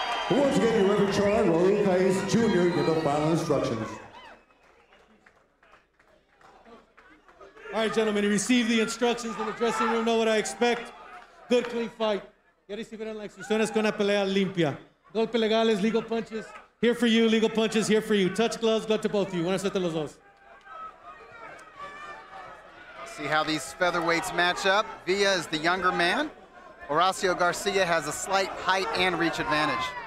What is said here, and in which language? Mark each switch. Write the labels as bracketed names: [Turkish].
[English] Once again, your referee, Rolling Kais Jr., give the final instructions. All right, gentlemen, you receive the instructions in the dressing room. Know what I expect. Good, clean fight. [Spanish] Ya recibieron las instrucciones con una pelea limpia. Golpes legales, legal punches. [English] Here for you, legal punches, here for you. Touch gloves, glove to both of you. [Spanish] Buenas tardes a los dos. [English] See how these featherweights match up. Villa is the younger man. Horacio Garcia has a slight height and reach advantage.